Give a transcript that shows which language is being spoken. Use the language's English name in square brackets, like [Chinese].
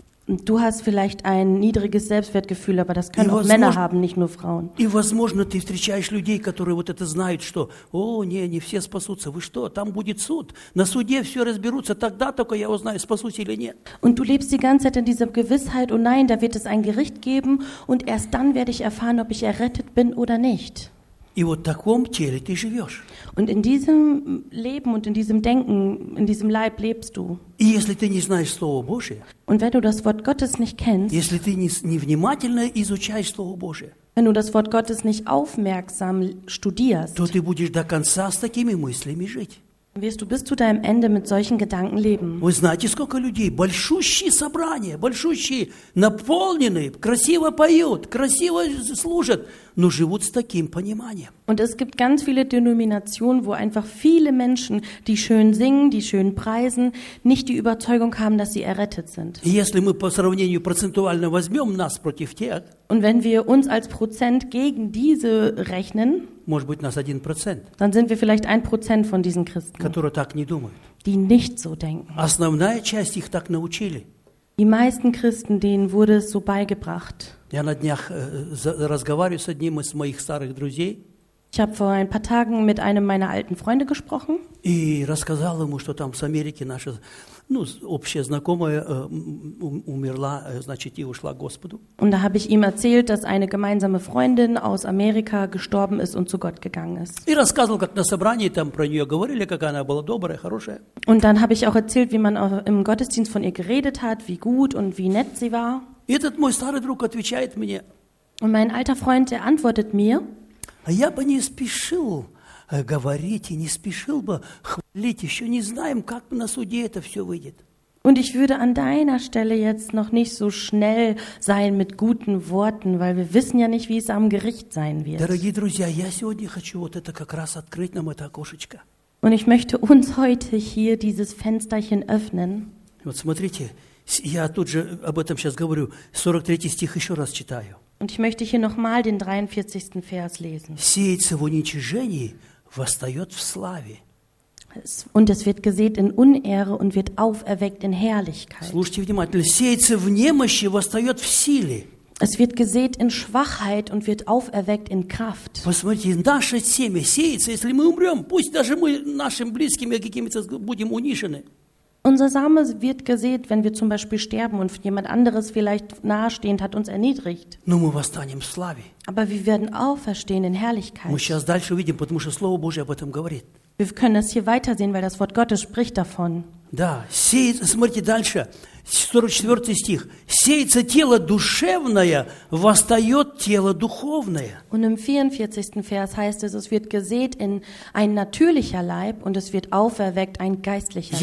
[German] Du hast vielleicht ein niedriges Selbstwertgefühl, aber das können auch Männer haben, nicht nur Frauen. [Russian] И возможно, ты встречаешь людей, которые вот это знают, что, о, не, не все спасутся. Вы что? Там будет суд. На суде все разберутся. Тогда только я узнаю, спасусь или нет. [German] Und du lebst die ganze Zeit in dieser Gewissheit. Oh nein, da wird es ein Gericht geben und erst dann werde ich erfahren, ob ich errettet bin oder nicht. [Russian] И вот в таком теле ты живешь. [German] Und in diesem Leben und in diesem Denken, in diesem Leib lebst du. [Russian] И если ты не знаешь Слово Божие, [German] und wenn du das Wort Gottes nicht kennst, [Russian] если ты не внимательно изучаешь Слово Божие, [German] wenn du das Wort Gottes nicht aufmerksam studierst, [Russian] то ты будешь до конца с такими мыслями жить. [German] Wirst du bis zu deinem Ende mit solchen Gedanken leben. [Russian] Вы знаете, сколько людей, большущие собрания, большущие, наполненные, красиво поют, красиво служат, но живут с таким пониманием. [German] Und es gibt ganz viele Denominationen, wo einfach viele Menschen, die schön singen, die schön preisen, nicht die Überzeugung haben, dass sie errettet sind. [Russian] Если мы по сравнению процентуально возьмем нас против тех, [German] und wenn wir uns als Prozent gegen diese rechnen, [Russian] может быть, нас 1%, [German] dann sind wir vielleicht 1% von diesen Christen, [Russian] которые так не думают, [German] die nicht so denken. [Russian] Основная часть их так научили. [German] Die meisten Christen, denen wurde es so beigebracht. [Russian] Я на днях разговариваю с одним из моих старых друзей. [German] Ich habe vor ein paar Tagen mit einem meiner alten Freunde gesprochen. [Russian] И рассказал ему, что там с Америки наша, ну, общая знакомая умерла, значит, и ушла к Господу. [German] Und da habe ich ihm erzählt, dass eine gemeinsame Freundin aus Amerika gestorben ist und zu Gott gegangen ist. [Russian] И рассказывал, как на собрании там про нее говорили, как она была добрая, хорошая. [German] Und dann habe ich auch erzählt, wie man im Gottesdienst von ihr geredet hat, wie gut und wie nett sie war. [Russian] И этот мой старый друг отвечает мне. [German] Und mein alter Freund, der antwortet mir. [Russian] Я бы не спешил говорить и не спешил бы хвалить. Еще не знаем, как на суде это все выйдет. [German] Und ich würde an deiner Stelle jetzt noch nicht so schnell sein mit guten Worten, weil wir wissen ja nicht, wie es am Gericht sein wird. [Russian] Дорогие друзья, я сегодня хочу вот это как раз открыть нам это окошечко. [German] Und ich möchte uns heute hier dieses Fensterchen öffnen. [Russian] Вот смотрите, я тут же об этом сейчас говорю. 43 стих еще раз читаю. [German] Und ich möchte hier nochmal den 43. Vers lesen. [Russian] Сеется в уничижении, восстает в славе. [German] Und es wird gesät in Unehre und wird auferweckt in Herrlichkeit. [Russian] Слушайте внимательно. Сеется в немощи, восстает в силе. [German] Es wird gesät in Schwachheit und wird auferweckt in Kraft. [Russian] Посмотрите, наше семя сеется, если мы умрем, пусть даже мы нашим близким какими-то будем унижены. [German] Unser Same wird gesät, wenn wir zum Beispiel sterben und jemand anderes vielleicht nahestehend hat uns erniedrigt. [Russian] Но мы восстанем в славе. [German] Aber wir werden auferstehen in Herrlichkeit. [Russian] Мы сейчас дальше увидим, потому что Слово Божие об этом говорит. [German] Wir können das hier weitersehen, weil das Wort Gottes spricht davon. [Russian] Да, сеется, смотрите дальше, 44 стих. Сеется тело душевное, восстает тело духовное. [German] Und im 44. Vers heißt es, es wird gesät in ein natürlicher Leib und es wird auferweckt ein geistlicher Leib.